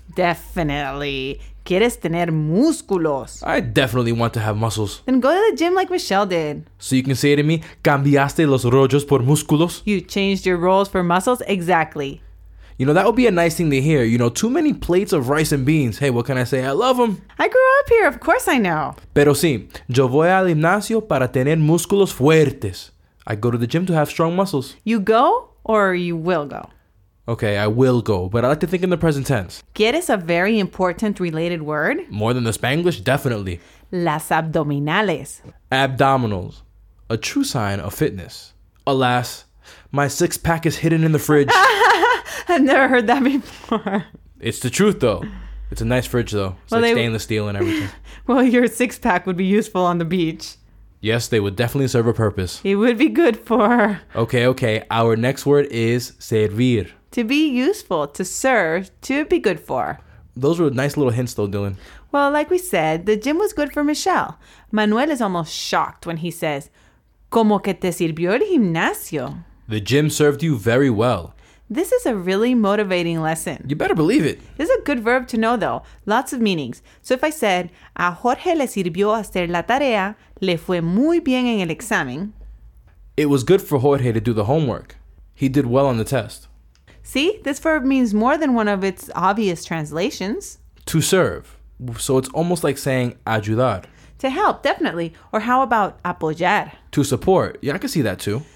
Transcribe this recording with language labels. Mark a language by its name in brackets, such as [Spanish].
[Spanish] Definitely. ¿Quieres tener músculos? [English] I definitely want to have muscles. Then go to the gym like Michelle did. So you can say to me, [Spanish] ¿cambiaste los rollos por músculos? [English] You changed your rolls for muscles? Exactly. You know, that would be a nice thing to hear. You know, too many plates of rice and beans. Hey, what can I say? I love them. I grew up here. Of course I know. [Spanish] Pero sí, yo voy al gimnasio para tener músculos fuertes. [English] I go to the gym to have strong muscles. You go or you will go? Okay, I will go, but I like to think in the present tense. [Spanish] ¿Quieres [English] a very important related word? More than the Spanglish, definitely. [Spanish] Las abdominales. [English] Abdominals. A true sign of fitness. Alas, my six-pack is hidden in the fridge. I've never heard that before. It's the truth, though. It's a nice fridge, though. It's stainless steel and everything. Well, your six-pack would be useful on the beach. Yes, they would definitely serve a purpose. It would be good for... Okay. Our next word is servir. To be useful, to serve, to be good for. Those were nice little hints, though, Dylan. Well, like we said, the gym was good for Michelle. Manuel is almost shocked when he says, [Spanish] ¿Cómo que te sirvió el gimnasio? [English] The gym served you very well. This is a really motivating lesson. You better believe it. This is a good verb to know, though. Lots of meanings. So if I said, [Spanish] a Jorge le sirvió hacer la tarea, le fue muy bien en el examen. [English] It was good for Jorge to do the homework. He did well on the test. See, this verb means more than one of its obvious translations. To serve. So it's almost like saying ayudar. To help, definitely. Or how about apoyar? To support. Yeah, I can see that too.